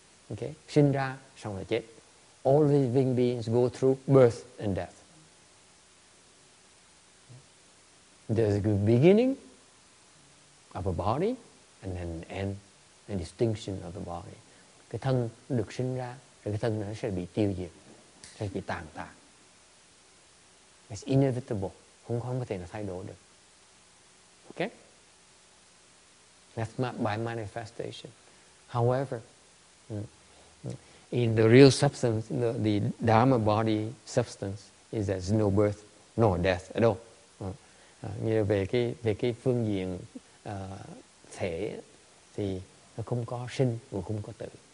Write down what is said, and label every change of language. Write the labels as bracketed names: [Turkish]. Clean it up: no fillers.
[Vietnamese] Okay, sinh ra xong rồi chết. [English] All living beings go through birth and death. There's a good beginning of a body and then end and distinction of the body. [Vietnamese] Cái thân được sinh ra rồi cái thân nó sẽ bị tiêu diệt, sẽ bị tàn tạ. [English] It's inevitable. [Vietnamese] Không có thể nào thay đổi được. [English] Okay? That's by manifestation. However, in the real substance, the Dharma body substance is that there's no birth nor death at all. [Vietnamese] Nghĩa về cái phương diện thể thì nó không có sinh và không có tử.